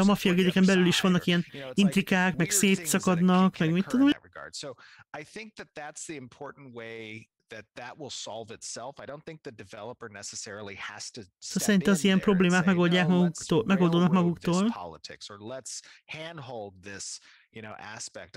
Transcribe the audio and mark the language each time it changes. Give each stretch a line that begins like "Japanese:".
Hungarian: a mafia guildeken belül is vannak ilyen intrikák, meg szétszakadnak, meg mit tudom.
English: So I think that that's the important way that will solve itself. I don't think the developer necessarily has to
Hungarian: step az ilyen problémák megoldják maguktól, megoldódnak maguktól.
English: Politics or let's handhold this, you know, aspect.